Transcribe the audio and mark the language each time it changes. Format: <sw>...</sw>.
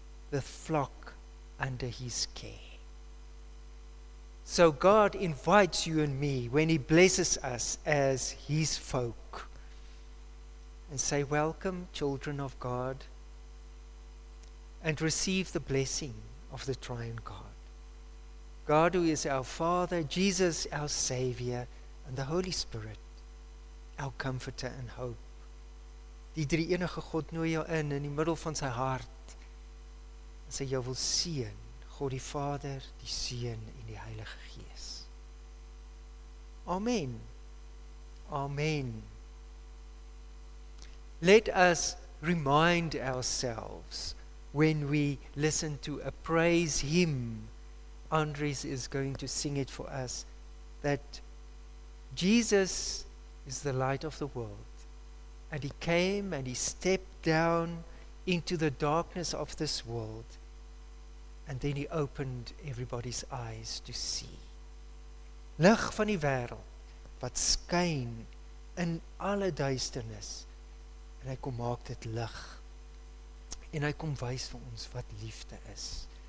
<en>The flock under his care. So God invites you and me when he blesses us as his folk and say, welcome, children of God, and receive the blessing of the triune God. God who is our Father, Jesus our Savior, and the Holy Spirit, our comforter and hope.</en> <af>Die drie enige God nooi jou in die middel van sy hart, sê jou wil seën, God die Vader, die Seun en die Heilige Gees. Amen. Amen.</af> <en>Let us remind ourselves when we listen to a praise hymn, Andries is going to sing it for us, that Jesus is the light of the world, and he came and he stepped down into the darkness of this world, and then he opened everybody's eyes to see.</en> <af>Lig van die wêreld wat skyn in alle duisternis, en hy kom maak dit lig, en hy kom wys vir ons wat liefde is.</af>